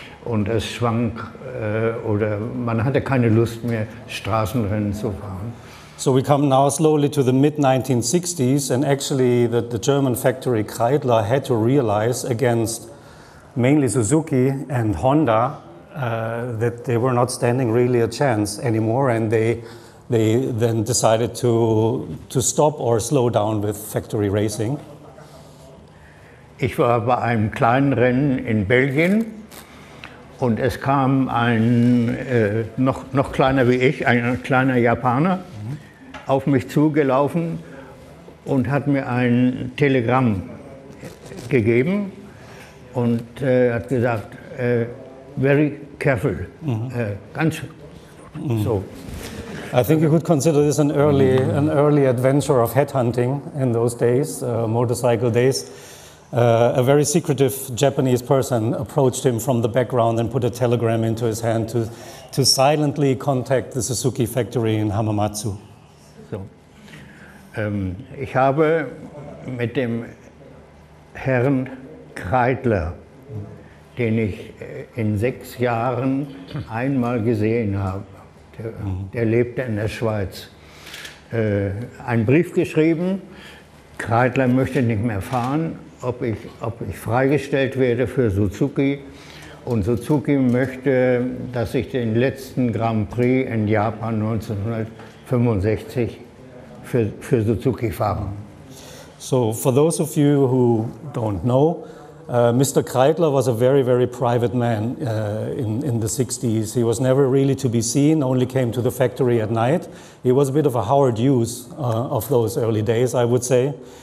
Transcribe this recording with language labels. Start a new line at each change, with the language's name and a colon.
German: Und es schwank, oder man hatte keine Lust mehr, Straßenrennen zu fahren.
English: So we come now slowly to the mid-1960s, and actually the German factory Kreidler had to realize against mainly Suzuki and Honda that they were not standing really a chance anymore, and they then decided to stop or slow down with factory racing.
German: Ich war bei einem kleinen Rennen in Belgien, und es kam ein noch kleiner wie ich, ein kleiner Japaner, auf mich zugelaufen und hat mir ein Telegramm gegeben und hat gesagt,
English: very careful,
German: ganz so.
English: I think you could consider this an early adventure of headhunting in those days, motorcycle days. A very secretive Japanese person approached him from the background and put a telegram into his hand to silently contact the Suzuki factory in Hamamatsu.
German: So, ich habe mit dem Herrn Kreidler, den ich in 6 Jahren einmal gesehen habe, der lebte in der Schweiz, einen Brief geschrieben. Kreidler möchte nicht mehr fahren. ob ich freigestellt werde für Suzuki. Und Suzuki möchte, dass ich den letzten Grand Prix in Japan 1965 für Suzuki fahre.
English: So, for those of you who don't know, Mr. Kreidler was a very, very private man in the 60s. He was never really to be seen, only came to the factory at night. He was a bit of a Howard Hughes of those early days, I would say.